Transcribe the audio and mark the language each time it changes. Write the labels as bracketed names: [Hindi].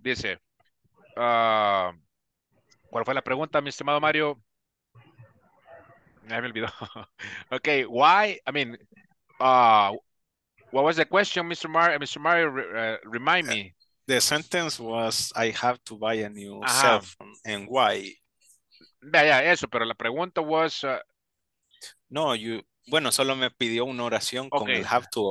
[Spanish] Dice, ¿cuál fue la pregunta, mi estimado Mario? Me olvidó. [English] Okay, what was the question, Mr. Mario, remind me. The sentence was, I have to buy a new cell phone, and why? [Spanish] Vaya, eso, pero la pregunta was... [English] No, you... [Spanish] Bueno, solo me pidió una oración con el have to.